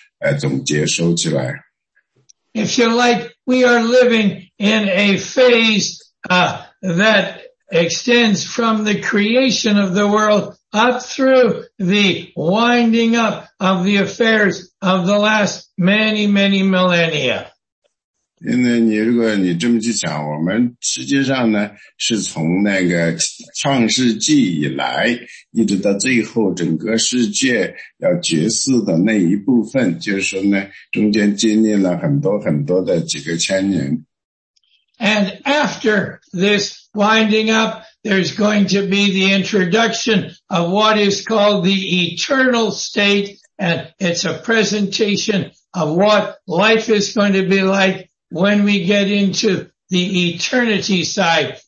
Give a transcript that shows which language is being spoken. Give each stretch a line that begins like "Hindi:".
Chinese: 因为呢，从第启示录第三章一直到第二十章呢，基本上是就是展现了一个当时在地上呢发生的一些事情。这个事情呢，主耶稣基督呢，然后他要来纠正地上的一切的错误，然后最终呢，把这一切的都总结收起来。
English: If you like, we are living in a phase that extends from the creation of the world up through the winding up of the affairs of the last many, many millennia.
Chinese: 因为你如果你这么去讲，我们实际上呢，是从那个创世纪以来，一直到最后整个世界要结束的那一部分，就是说呢，中间经历了很多很多的几个千年。
English: And after this winding up, there's going to be the introduction of what is called the eternal state, and it's a presentation of what life is going to be like when we get into the eternity side.